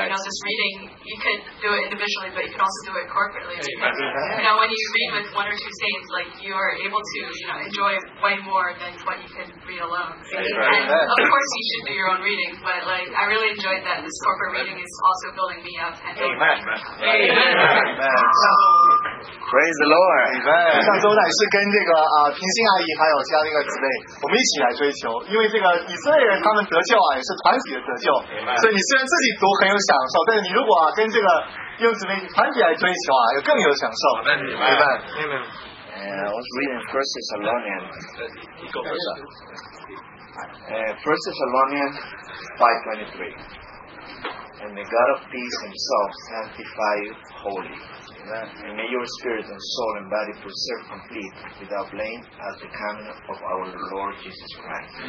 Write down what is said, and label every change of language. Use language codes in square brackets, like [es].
[en] You know, this reading, you could do it individually, but you could also do it corporately. Amen. You know, when you read with one or two saints, like, you are able to, you know, enjoy way more than what you can read alone. Amen. And, of course, you should do your own reading, but, like, I really enjoyed that. This corporate reading is also building me up. And amen. Amen. Praise the Lord！ [zh] 像周乃是跟这个平心阿姨还有其他那个姊妹，我们一起来追求，因为这个以色列人他们得救啊，也是团体的得救。所以你虽然自己读很有享受，但是你如果啊跟这个用姊妹团体来追求啊，又更有享受。明白？明白 [en] ？I was reading First Thessalonians. First Thessalonians 5:23, and the God of peace Himself sanctify you wholly. And may your spirit and soul and body preserve complete without blame at the coming of our Lord Jesus Christ.